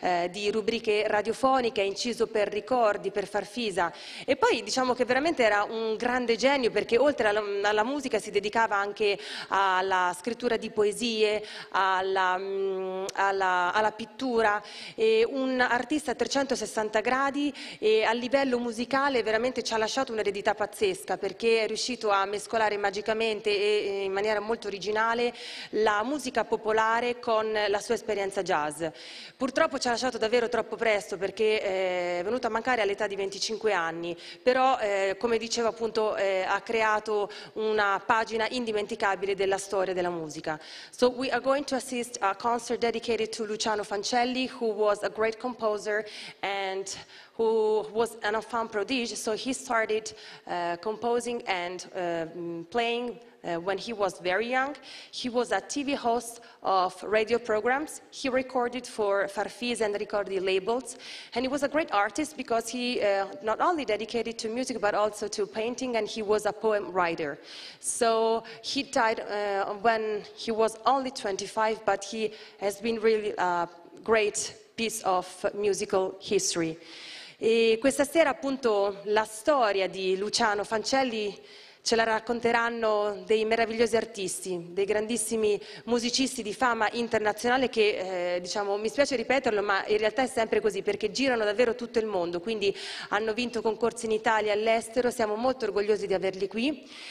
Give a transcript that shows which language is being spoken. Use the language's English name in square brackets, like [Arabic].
[Italian] di rubriche radiofoniche, ha inciso per Ricordi, per Farfisa e poi diciamo che veramente era un grande genio perché oltre alla musica si dedicava anche alla scrittura di poesie, alla pittura, e un artista a 360 gradi e a livello musicale veramente ci ha lasciato un'eredità pazzesca perché è riuscito a mescolare magicamente e in maniera molto originale la musica popolare con la sua esperienza jazz. Purtroppo ci ha lasciato davvero troppo presto perché è venuto a mancare all'età di 25 anni, però come dicevo appunto ha creato una pagina indimenticabile della storia della musica. [English] So we are going to assist a concert dedicated to Luciano Fancelli, who was a great composer and who was an enfant prodige, so he started composing and playing when he was very young. He was a TV host of radio programs. He recorded for Farfisa and Ricordi labels. And he was a great artist because he not only dedicated to music but also to painting, and he was a poem writer. So he died when he was only 25, but he has been really a great piece of musical history. [Italian] E questa sera appunto la storia di Luciano Fancelli ce la racconteranno dei meravigliosi artisti, dei grandissimi musicisti di fama internazionale che diciamo, mi spiace ripeterlo, ma in realtà è sempre così perché girano davvero tutto il mondo, quindi hanno vinto concorsi in Italia e all'estero, siamo molto orgogliosi di averli qui.